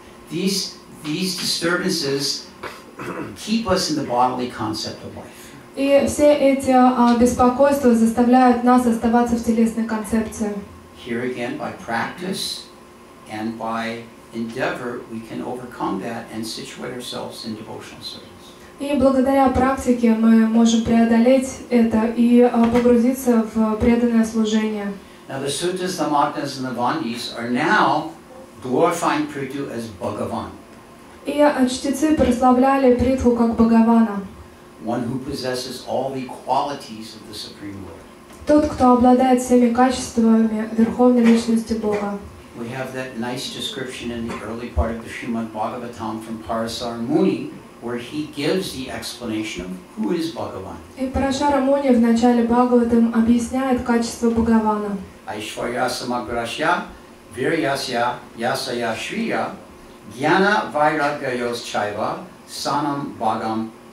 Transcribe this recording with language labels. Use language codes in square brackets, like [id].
[en] These disturbances keep us in the bodily concept of life. [uk] І все ці беспокойства заставляють нас оставатися в телесній концепції. [en] Here again, by practice and by endeavor, we can overcome that and situate ourselves in devotional service. [uk] І благодаря практиці ми можемо преодолеть це і погрузитися в преданное служение. [en] Now the suttas, the mantras, and the vandis are now glorifying Prithu as Bhagavan. [ru] І чтецы прославляли Притху як Бхагавана. [en] One who possesses all the qualities of the Supreme Lord. [ru] Тот, кто обладает всеми качествами Верховной Личности Бога. [en] We have that nice description in the early part of the Srimad Bhagavatam from Parasara Muni, where he gives the explanation of who is Bhagavan. [ru] И Парасара Муни в начале Бхагаватам объясняет качество Бхагавана. [sa] Айшварья самаграшья, вирьясья, ясая шрия, гьяна вайрагьяс чайва, санам бхагам.